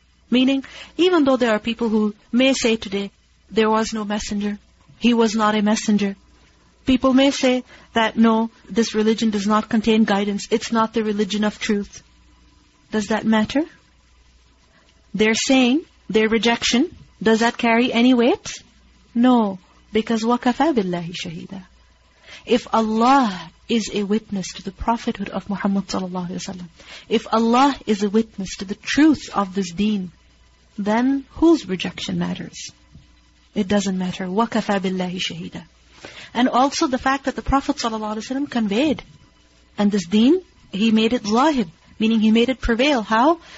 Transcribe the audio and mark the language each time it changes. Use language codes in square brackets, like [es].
[en] Meaning, even though there are people who may say today, there was no messenger, he was not a messenger. People may say that, no, this religion does not contain guidance, it's not the religion of truth. Does that matter? They're saying, their rejection, does that carry any weight? No, because [ar] وَكَفَى بِاللَّهِ شَهِيدًا. [en] If Allah is a witness to the prophethood of Muhammad sallallahu alaihi wasallam, if Allah is a witness to the truth of this deen, then whose rejection matters? It doesn't matter. [ar] وَكَفَى بِاللَّهِ شَهِيدًا. [en] And also the fact that the Prophet sallallahu alaihi wasallam conveyed, and this deen, he made it ظاهر, meaning he made it prevail. How?